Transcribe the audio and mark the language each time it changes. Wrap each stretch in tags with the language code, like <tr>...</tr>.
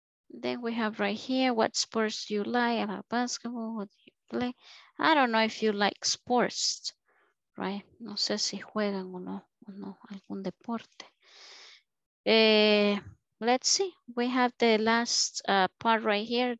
<en>Then we have right here, what sports do you like? About basketball, what do you play? I don't know if you like sports, right?</en> <es>No sé si juegan o no, algún deporte.</es> <en>Let's see, we have the last part right here.</en>